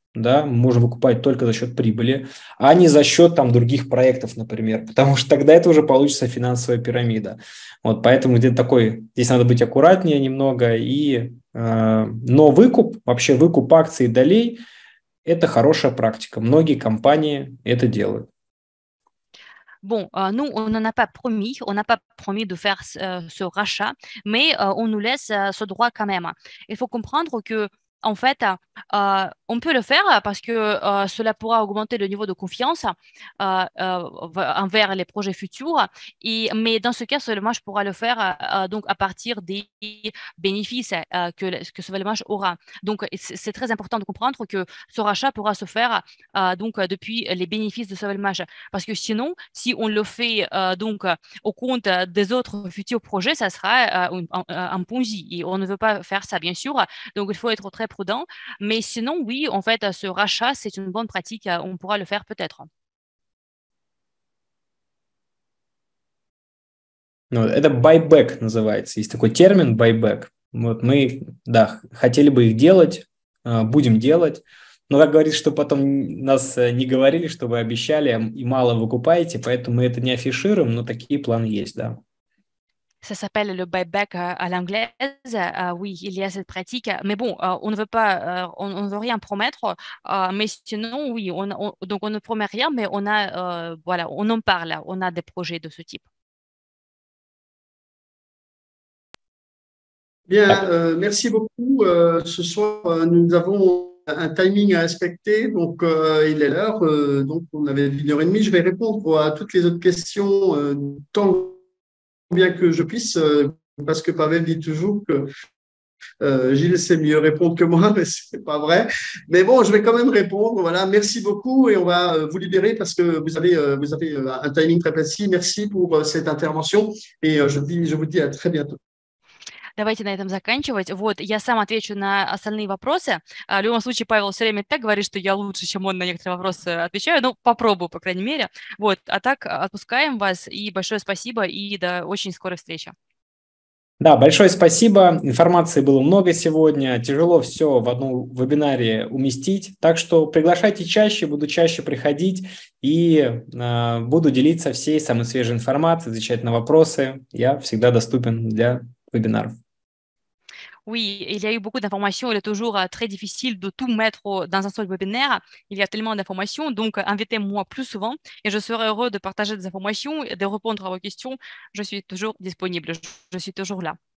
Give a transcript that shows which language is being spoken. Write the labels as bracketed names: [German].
[Russian] Да, мы можем выкупать только за счет прибыли, а не за счет там других проектов, например, потому что тогда это уже получится финансовая пирамида. Вот, поэтому где-то такой, здесь надо быть аккуратнее немного. И, но выкуп, вообще выкуп акций долей – это хорошая практика. Многие компании это делают. [French] Bon, nous, on n'a pas promis de faire ce rachat, mais on nous laisse ce droit quand même. Il faut comprendre que en fait, on peut le faire parce que cela pourra augmenter le niveau de confiance envers les projets futurs. Et, mais dans ce cas, Sovelmash pourra le faire donc à partir des bénéfices que Sovelmash aura. Donc, c'est très important de comprendre que ce rachat pourra se faire donc, depuis les bénéfices de Sovelmash. Parce que sinon, si on le fait donc, au compte des autres futurs projets, ça sera un ponzi. Et on ne veut pas faire ça, bien sûr. Donc, il faut être très prudent. Mais sinon, oui, en fait, ce rachat, c'est une bonne pratique. On pourra le faire peut-être. [Russian] Ну, это buyback называется. Есть такой термин buyback. Вот мы, да, хотели бы их делать, будем делать. Но как говорится, что потом нас не говорили, что вы обещали и мало выкупаете, поэтому мы это не афишируем, но такие планы есть, да. [French] Ça s'appelle le buyback à l'anglaise. Oui, il y a cette pratique. Mais bon, on ne veut pas, on veut rien promettre. Mais sinon, oui, donc on ne promet rien, mais on a, voilà, on en parle. On a des projets de ce type. Bien, merci beaucoup. Ce soir, nous avons un timing à respecter. Donc, il est l'heure. Donc, on avait 1h30. Je vais répondre à toutes les autres questions tant que bien que je puisse, parce que Pavel dit toujours que Gilles sait mieux répondre que moi, mais ce n'est pas vrai. Mais bon, je vais quand même répondre. Voilà, merci beaucoup et on va vous libérer parce que vous avez un timing très précis. Merci pour cette intervention et je vous dis à très bientôt. [Russian] Давайте на этом заканчивать. Вот, я сам отвечу на остальные вопросы. В любом случае, Павел все время так говорит, что я лучше, чем он на некоторые вопросы отвечаю. Ну, попробую, по крайней мере. Вот, а так отпускаем вас. И большое спасибо, и до очень скорой встречи. Да, большое спасибо. Информации было много сегодня. Тяжело все в одном вебинаре уместить. Так что приглашайте чаще, буду чаще приходить. И буду делиться всей самой свежей информацией, отвечать на вопросы. Я всегда доступен для вебинаров. [French] Oui, il y a eu beaucoup d'informations. Il est toujours très difficile de tout mettre dans un seul webinaire. Il y a tellement d'informations. Donc, invitez-moi plus souvent et je serai heureux de partager des informations et de répondre à vos questions. Je suis toujours disponible. Je suis toujours là.